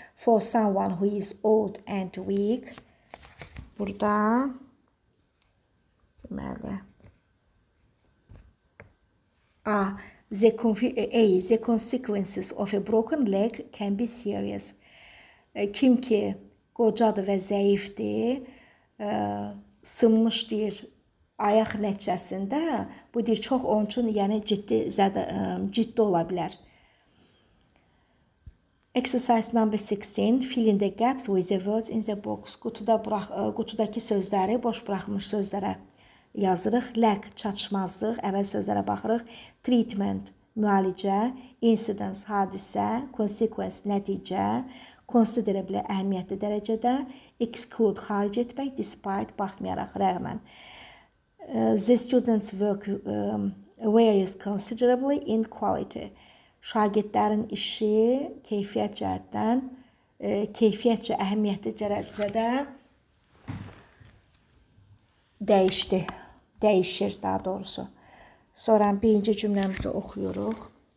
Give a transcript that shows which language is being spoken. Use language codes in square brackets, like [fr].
[en] For someone who is old and weak. [az] Burada deməli A. [en] The consequences of a broken leg can be serious. [az] Kim ki qocadır və zəifdir, sınmış deyir Ayaq nəticəsində bu dil çox onun üçün yəni ciddi ola bilər. [en] Exercise number 16. Fill in the gaps with the words in the box. [az] Qutudakı sözləri boş buraxmış sözlərə yazırıq. Lack, çatışmazlıq, əvvəl sözlərə baxırıq. Treatment, müalicə. Incidence, hadisə. Consequence, nəticə. Considerably, əhəmiyyətli dərəcədə. Exclude, xaric etmək. Despite, baxmayaraq, rəğmən. [en] The student's work varies considerably in quality. [az] Şagirdlərin işi keyfiyyətcə əhəmiyyətli dərəcədə dəyişir daha doğrusu. Sonra birinci cümləmizi oxuyuruq.